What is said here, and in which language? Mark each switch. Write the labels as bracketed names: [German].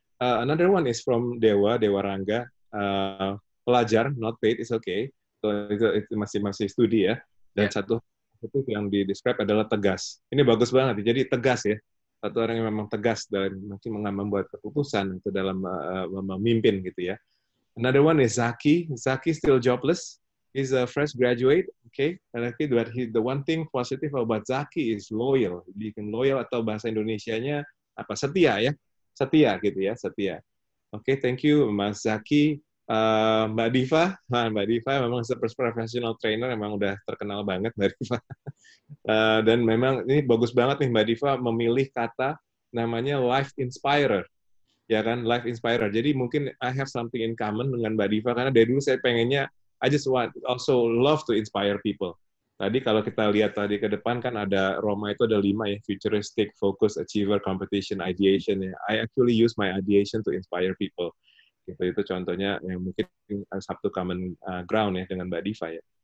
[English] Another one is from Dewa Rangga, pelajar, not paid, it's okay, so it [Indonesian] masih studi ya. Dan satu positif yang di describe adalah tegas, ini bagus banget, jadi tegas ya. Satu orang yang memang tegas dalam membuat keputusan itu dalam memimpin gitu ya. [English] Another one is Zaki. Zaki still jobless. He's a fresh graduate. Okay. And I think that the one thing positive about Zaki is loyal. [Indonesian] Bikin loyal atau bahasa Indonesianya apa? Setia ya. Setia gitu ya. Setia. Okay. [English] Thank you, [Indonesian] Mas Zaki. Mbak Diva. Nah, Mbak Diva memang sebagai [English] professional trainer [Indonesian] memang udah terkenal banget Mbak Diva. Dan memang ini bagus banget nih Mbak Diva memilih kata namanya life inspirer. Ya kan, life inspirer. Jadi mungkin [English] I have something in common [Indonesian] dengan Mbak Diva karena dari dulu saya pengennya [English] I just want also love to inspire people. [Indonesian] Tadi kalau kita lihat tadi ke depan kan ada Roma itu ada 5 ya, futuristic, focus, achiever, competition, ideation ya. [English] I actually use my ideation to inspire people. [Indonesian] Gitu, itu contohnya yang mungkin Sabtu common ground ya dengan Mbak Diva ya.